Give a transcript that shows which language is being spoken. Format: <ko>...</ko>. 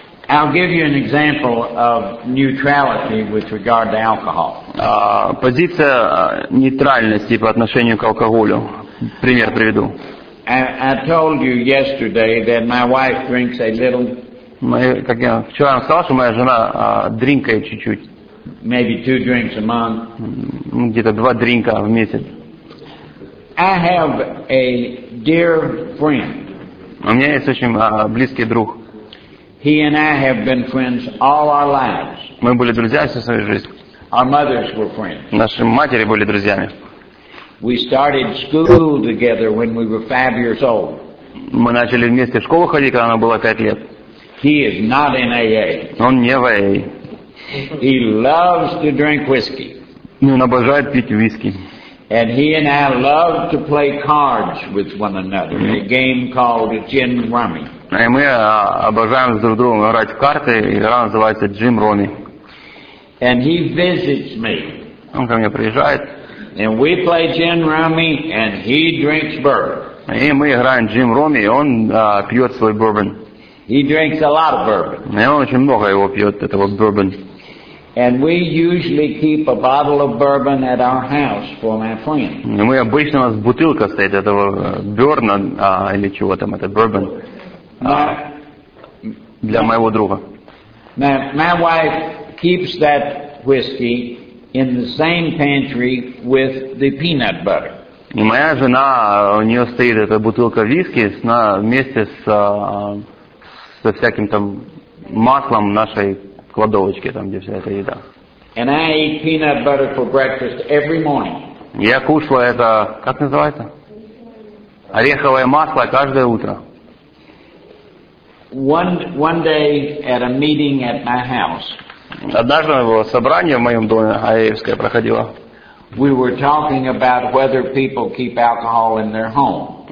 <en>I'll give you an example of neutrality with regard to alcohol.</en> <ru>Позиция нейтральности по отношению к алкоголю. Пример приведу.</ru> <en>I told you yesterday that my wife drinks a little</en> <ru>как я вчера вам сказал, что моя жена дринкает чуть-чуть.</ru> <en>Maybe two drinks a month.</en> <ru>Где-то два дринка в месяц.</ru> <en>I have a dear friend.</en> <ru>У меня есть очень близкий друг.</ru> <en>He and I have been friends all our lives.</en> <ru>Мы были друзья всю свою жизнь.</ru> <en>Our mothers were friends.</en> <ru>Наши матери были друзьями.</ru> <en>We started school together when we were 5 years old.</en> <ru>Мы начали вместе в школу ходить, когда она была 5 лет.</ru> <en>He is not in AA.</en> <ru>Он не в AA.</ru> <en>He loves to drink whiskey.</en> <ru>Он обожает пить виски.</ru> <en>And he and I love to play cards with one another. A game called Gin Rummy.</en> <ru>А мы обожаем друг с другом играть в карты, игра называется Gin Rummy.</ru> <en>And he visits me.</en> <ru>Он ко мне приезжает.</ru> <en>And we play Gin Rummy, and he drinks bourbon.</en> <ru>И мы играем Gin Rummy, он пьет свой бурбон.</ru> <en>He drinks a lot of bourbon.</en> <ru>И он очень много его пьет этого бурбон.</ru> <en>And we usually keep a bottle of bourbon at our house for my friend.</en> <ru>И мы обычно у нас бутылка стоит этого бёрна или чего там это бурбон для моего друга.</ru> <en>My wife keeps that whiskey in the same pantry with the peanut butter.</en> <ru>И моя жена, у неё стоит эта бутылка виски вместе со всяким там маслом нашей кладовочке, там, где вся эта еда.</ru> <en>And I eat peanut butter for breakfast every morning.</en> <ru>Я кушал это, как называется? Ореховое масло каждое утро.</ru> <en>One day at a meeting at my house.</en> <ru>Однажды было собрание в моем доме, аэвское, проходило.</ru> <en>We were talking about whether people keep alcohol in their home.</en>